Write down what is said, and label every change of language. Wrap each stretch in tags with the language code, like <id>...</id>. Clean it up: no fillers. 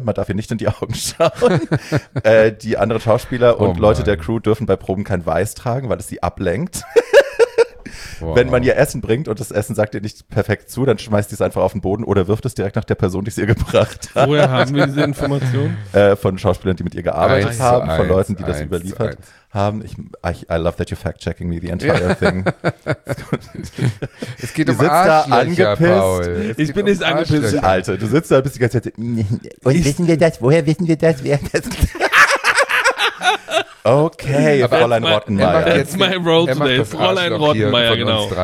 <de>Man darf ihr nicht in die Augen schauen. Die anderen Schauspieler und Leute der Crew dürfen bei Proben kein Weiß tragen, weil es sie ablenkt. Wow. Wenn man ihr Essen bringt und das Essen sagt ihr nicht perfekt zu, dann schmeißt sie es einfach auf den Boden oder wirft es direkt nach der Person, die es ihr gebracht hat. Woher haben wir diese Information? Von Schauspielern, die mit ihr gearbeitet haben, von Leuten, die das überliefert haben.</de> <en>I love that you're fact-checking me, the entire thing.</en> <de>Es geht um Arschlöcher, angepisst. Paul. Ich bin nicht angepisst. Alter, du sitzt da und bist die ganze Zeit. Und wissen wir das? Woher wissen wir das? Wer das? Okay, aber Fräulein Rottenmeier.</de> <en>That's my role today. Fräulein Rottenmeier, genau.</en>